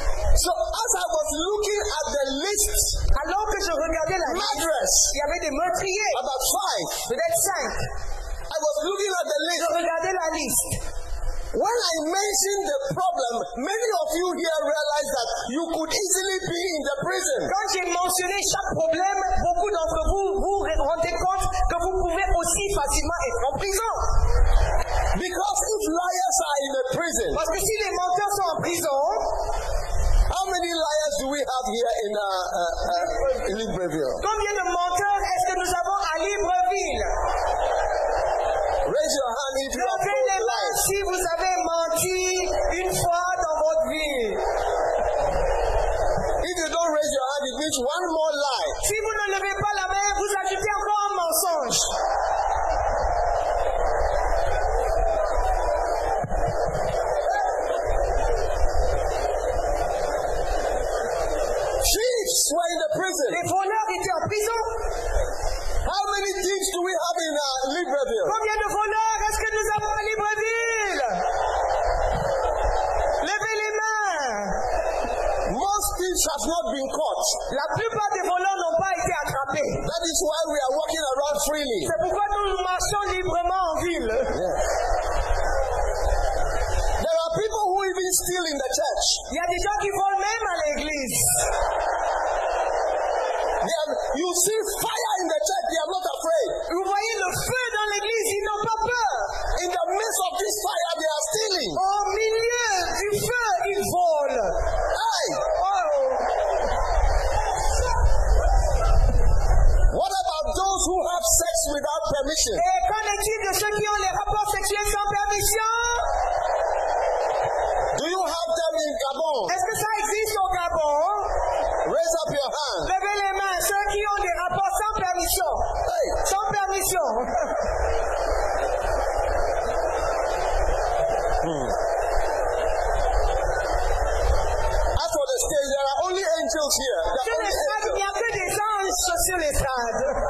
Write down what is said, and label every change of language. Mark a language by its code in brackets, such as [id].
[en] So as I was looking at the list, [fr] alors que je regardais la madras, il y avait des meurtriers. [en] About 5. [fr] Peut-être 5. [en] I was looking at the list. [fr] Je regardais la liste. [en] When I mentioned the problem, many of you here realized that you could easily be in the prison. [fr] Quand j'ai mentionné chaque problème, beaucoup d'entre vous vous rendez compte que vous pouvez aussi facilement être en prison. [en] Because if liars are in the prison, [fr] parce que si les menteurs sont en prison, [en] how many liars do we have here in Libreville? [fr] Combien de menteurs est-ce que nous avons à Libreville? [en] Raise your hand if you have told lies. [fr] Si vous avez menti une fois dans votre vie. [en] If you don't raise your hand, it means one more lie. [fr] Si vous ne levez pas la main, vous ajoutez encore un mensonge. [en] Thieves were in the prison. [fr] Les voleurs étaient en prison. [en] How many thieves do we have in Libreville? [fr] Combien de voleurs est-ce que nous avons à Libreville? Levez les mains. [en] Most thieves have not been caught. [fr] La plupart des voleurs n'ont pas été attrapés. [en] That is why we are walking around freely. [fr] C'est pourquoi nous marchons librement en ville. [en] Yeah. There are people who even steal in the church. [fr] Il y a des gens qui volent même à l'église. [en] You see fire in the church, they are not afraid. [fr] Vous voyez le feu dans l'église, ils n'ont pas peur. [en] In the midst of this fire, they are stealing. [fr] Au milieu du feu, ils volent. Hey! Oh. [en] What about those who have sex without permission? [fr] Et qu'en est-il de ceux qui ont les rapports sexuels sans permission? [en] Do you have them in Gabon? [fr] Est-ce que ça existe au Gabon? [en] Raise up your hand. [fr] Levez les mains, ceux qui ont des rapports sans permission. Hey. Sans permission. [en] As for the stage, there are only angels here. [fr] Sur les stades, il n'y a que des anges sur les stades.